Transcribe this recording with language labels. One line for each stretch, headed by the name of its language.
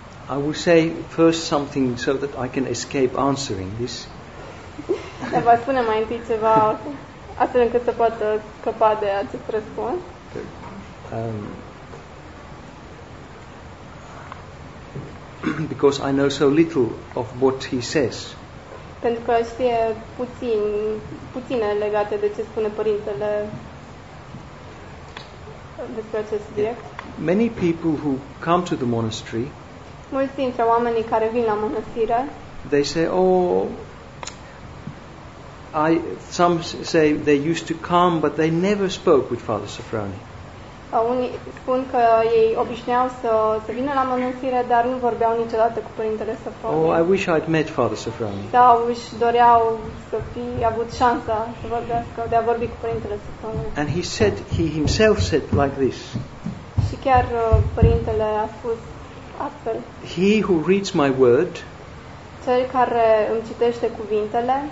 English: I will say first something so that I can escape answering this.
Romanian: Ne va spune mai întâi ceva astfel încât să poată scăpa de acest răspuns.
English: Because I know so little of what he says.
Romanian: Pentru că știe puține legate de ce spune părintele despre acest subiect.
English: Many people who come to the monastery,
Romanian: mulți dintre oamenii care vin la mănăstire,
English: they say, oh, I, some say they used to come, but they never spoke with Father Sofroni.
Romanian: Unii spun că ei obișnuiau să vină la mănăstire, dar nu vorbeau niciodată cu părintele Sofroni.
English: Oh, I wish I'd met Father Sofroni.
Romanian: Sau își doreau să fi avut șansa să vorbească, de a vorbi cu părintele Sofroni.
English: And he said, he himself said like this.
Romanian: Și chiar părintele a spus astfel.
English: He who reads my word,
Romanian: cel care îmi citește cuvintele,